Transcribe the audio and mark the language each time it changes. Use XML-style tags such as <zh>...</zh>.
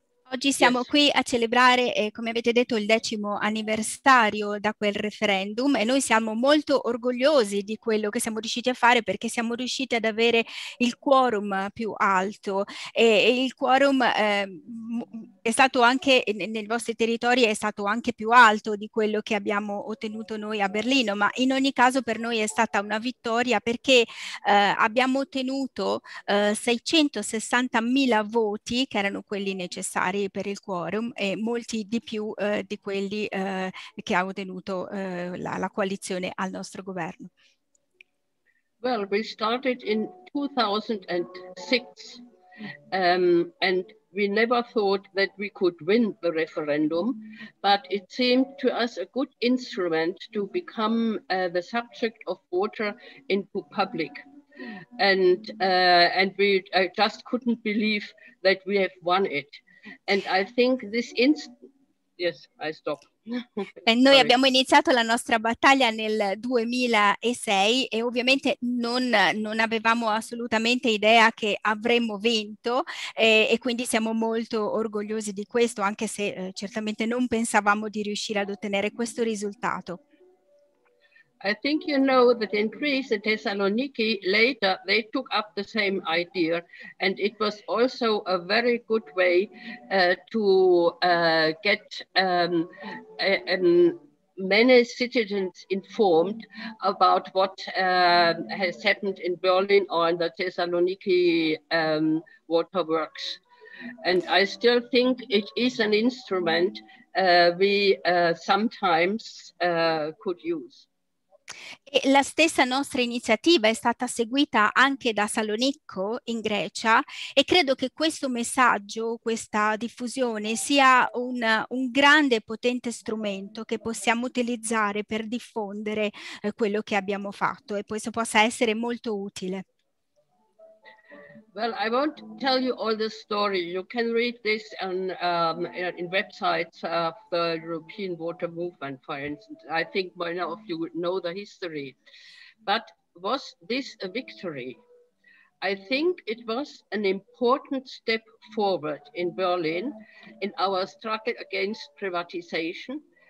<it>Oggi siamo qui a celebrare, come avete detto, il 10º anniversario da quel referendum e noi siamo molto orgogliosi di quello che siamo riusciti a fare perché siamo riusciti ad avere il quorum più alto e il quorum è stato anche nei vostri territori, è stato anche più alto di quello che abbiamo ottenuto noi a Berlino, ma in ogni caso per noi è stata una vittoria perché abbiamo ottenuto 660.000 voti, che erano quelli necessari per il quorum e molti di più di quelli che ha ottenuto la coalizione al nostro governo.</it> <en>Well, we started in 2006, and we never thought that we could win the referendum, but it seemed to us a good instrument to become the subject of water into public. And I just couldn't believe that we have won it. And I think this instant. Yes, I stop.</en> <it>Noi</it> <en>Sorry.</en> <it>abbiamo iniziato la nostra battaglia nel 2006 e ovviamente non avevamo assolutamente idea che avremmo vinto e quindi siamo molto orgogliosi di questo, anche se certamente non pensavamo di riuscire ad ottenere questo risultato.</it> <en>I think you know that in Greece, in Thessaloniki, later they took up the same idea, and it was also a very good way to get many citizens informed about what has happened in Berlin or in the Thessaloniki waterworks. And I still think it is an instrument we sometimes could use.</en> <it>E la stessa nostra iniziativa è stata seguita anche da Salonicco in Grecia e credo che questo messaggio, questa diffusione sia un grande e potente strumento che possiamo utilizzare per diffondere quello che abbiamo fatto e questo possa essere molto utile.</it> <en>Well, I won't tell you all the story. You can read this on in websites of the European Water Movement, for instance. I think by now if you know the history. But was this a victory? I think it was an important step forward in Berlin in our struggle against privatization.</en>